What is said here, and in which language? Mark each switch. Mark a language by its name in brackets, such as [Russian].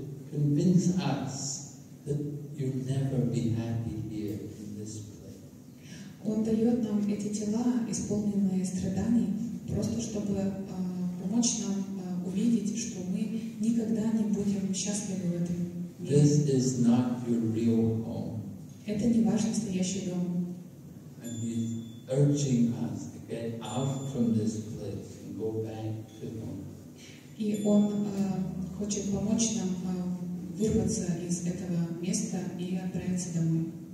[English] Convince us that you'll never be happy here in this place. [Russian] Он дает нам эти тела, исполненные страданий, просто чтобы помочь нам увидеть, что мы никогда не будем счастливы в этом мире. [English] This is not your real home. [Russian] Это не ваш настоящий дом. [English] And he's urging us to get out from this place and go back to home. [Russian] И он хочет помочь нам вырваться из этого места и отправиться домой.